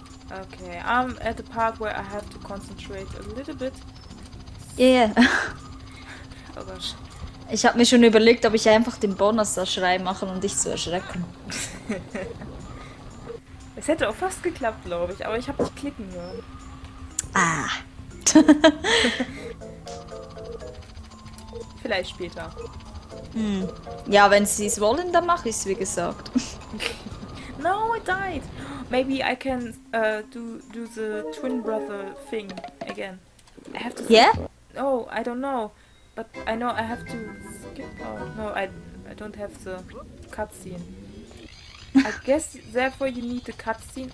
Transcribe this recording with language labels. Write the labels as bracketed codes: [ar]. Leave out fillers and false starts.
[en] Okay, I'm at the part where I have to concentrate a little bit. Yeah. Oh gosh. [de] Ich habe mir schon überlegt, ob ich einfach den Bonus-Schrei machen, um dich zu erschrecken. Es hätte auch fast geklappt, glaube ich, aber ich habe dich klicken hören. Ah. Vielleicht später. Hm. Ja, wenn sie es wollen, dann mache ich es, wie gesagt. [en] No, it died. Maybe I can do the twin brother thing again. I have to skip. Yeah? Oh, I don't know. But I know I have to skip. Oh, no, I don't have the cutscene. I guess therefore you need the cutscene.